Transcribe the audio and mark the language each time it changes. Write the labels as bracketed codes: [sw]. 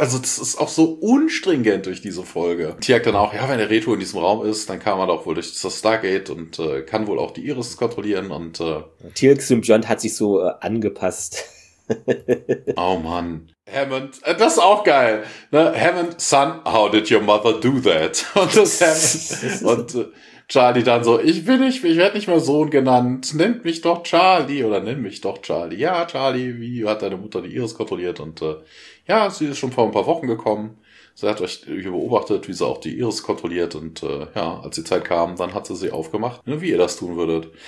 [de] Also das ist auch so unstringent durch diese Folge. Teal'c dann auch, ja, wenn der Reto in diesem Raum ist, dann kann man doch wohl durch das Stargate und kann wohl auch die Iris kontrollieren und Tilk-Symbiont hat sich so angepasst. oh Mann. Hammond, das ist auch geil. Ne? [en] Hammond, son, how did your mother do that? [de] Und das Hammond. Und Charlie dann so, ich werde nicht mehr Sohn genannt. Nennt mich doch Charlie oder nenn mich doch Charlie. Ja, Charlie, wie hat deine Mutter die Iris kontrolliert? Und ja, sie ist schon vor ein paar Wochen gekommen. Sie hat euch beobachtet, wie sie auch die Iris kontrolliert und ja, als die Zeit kam, dann hat sie sie aufgemacht, ne, wie ihr das tun würdet.